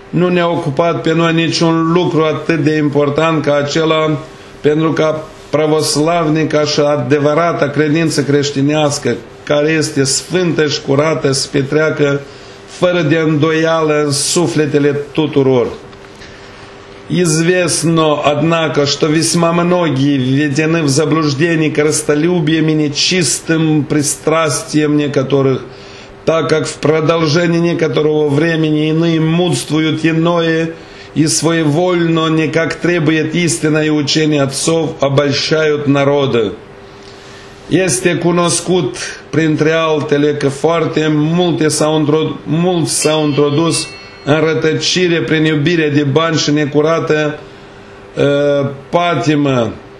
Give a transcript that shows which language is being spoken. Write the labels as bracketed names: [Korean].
[Romanian] ne-a ocupat pe noi niciun lucru atât de important ca acela, pentru ca pravoslavnica și adevărata credință creștinească, care este sfântă și curată, să petreacă fără de îndoială în sufletele tuturor. [Russian] Известно, однако, что весьма многие введены в заблуждение корыстолюбием и нечистым пристрастием некоторых, так как в продолжении некоторого времени иные мудствуют иное и своевольно, не как требует истинное учение отцов, обольщают народы. [Romanian] Este cunoscut printre altele că foarte mulți s-au introdus în rătăcire prin iubire de bani și necurată patimă.